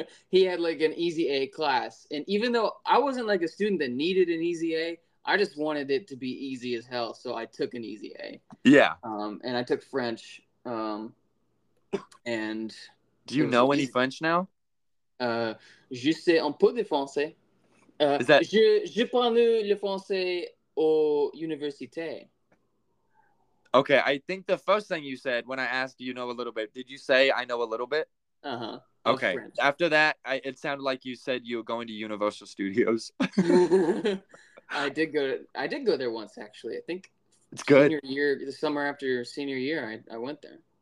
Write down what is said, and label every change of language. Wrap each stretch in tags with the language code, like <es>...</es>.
<en>he had like an easy A class, and even though I wasn't like a student that needed an easy A, I just wanted it to be easy as hell, so I took an easy A. Yeah. And I took French. And do you know any French now?</en> <fr>Je sais un peu de français. Je parle le français au université.</fr> <en>Okay, I think the first thing you said when I asked, do you know a little bit? Did you say I know a little bit? Uh-huh. Okay. French. After that, it sounded like you said you were going to Universal Studios. I did go there once, actually. I think it's good. The summer after senior year, I went there.</en>